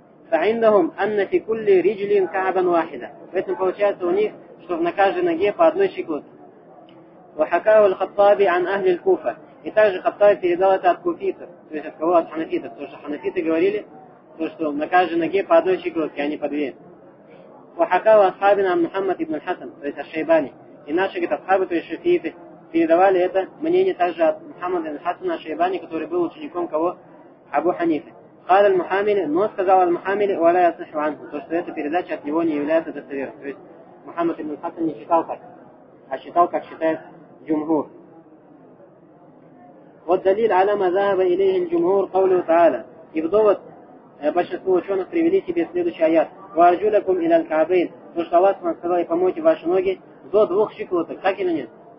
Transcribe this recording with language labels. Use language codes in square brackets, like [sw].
[ar] Саиндахум анна фи кулли риджлин каабан вахида. [ru] Поэтому получается у них, что на каждой ноге по одной щиколотке. [ar] وَحَكَاهُ الْخَطَّابِ عَنْ أَهْلِ الْكُوفَةِ. [ru] И также Хаттаби передал это от куфитов, то есть от кого? От ханафитов. Потому что ханафиты говорили, то, что на каждой ноге по одной щиколотке, а не по две. [ar] وَحَكَاهُ أَصْحَابِنَا عَنْ مُحَمَّدِ ابْنِ الْحَسَنِ. [ru] То есть от Шайбани. И наши, говорит, асхабы, то есть шафииты, передавали это мнение также от Мухаммада ибн аль-Хасана аш-Шайбани, который был учеником кого? Абу Ханифы. [ar] قال المحامل [ru] но сказал [ar] المحامل ولا يصح عنه. [ru] То, что эта передача от него не является достоверной. То есть Мухаммад ибн аль-Хасан не считал так, а считал, как считает джумхур. [ar] والدليل على ما ذهب إليه الجمهور قوله تعالى إبضوت [ru] большинство ученых привели себе следующий аят [ar] وَأَرْجُلَكُمْ إِلَى الْكَعْبَيْنِ [ru] Потому что Аллах вам сказал, и помойте ваши ноги до двух щиколоток, как или нет?